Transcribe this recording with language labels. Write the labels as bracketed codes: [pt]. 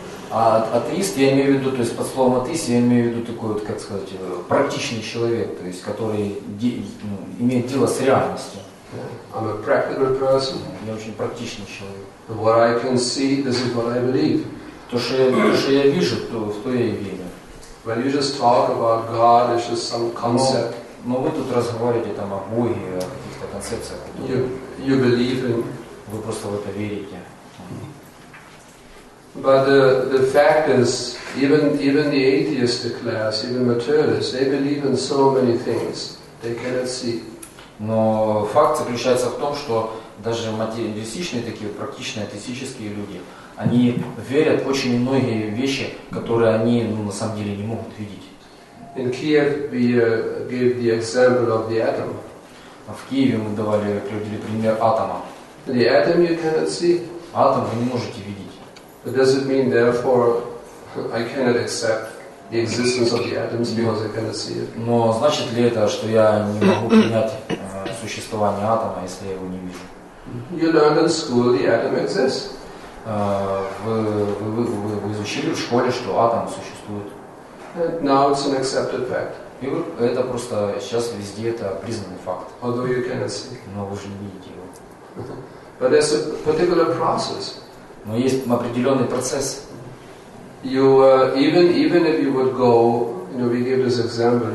[ru] Атеист, я имею в виду, то есть под словом атеист, я имею в виду такой вот, как сказать, практичный человек, то есть который имеет дело с реальностью. [en] I'm a practical person. [ru] Я очень практичный человек. [en] What I can see, this is what I believe. [ru] То, что я вижу, то в то я и верю. [en] When you just talk about God, it's just some concept. [ru] Но вы тут разговариваете там о Боге, о каких-то концепциях. [en] You believe in. [ru] Вы просто в это верите. [en] But the fact is, even the atheist class, even materialists, they believe in so many things they cannot see. [ru] Но факт заключается в том, что даже материалистичные такие практичные атеистические люди, они верят в очень многие вещи, которые они на самом деле не могут видеть. [en] In Kiev we gave the example of the atom. [ru] В Киеве мы давали, приводили пример атома. [en] The atom you cannot see. [ru] Атом вы не можете видеть. [en] But does it mean therefore I cannot accept the existence of the atoms because I cannot see it? [ru] Но значит ли это, что я не могу принять существование атома, если я его не вижу? [en] You learned in school the atom exists. [ru] Вы изучили в школе, что атом существует. [en] And now it's an accepted fact. [ru] И это просто сейчас везде это признанный факт. [en] Although you cannot see. [ru] Но вы же не видите его. [en] But there's a particular process. [ru] Но есть определенный процесс. [en] You even if you would go, you know, we give this example.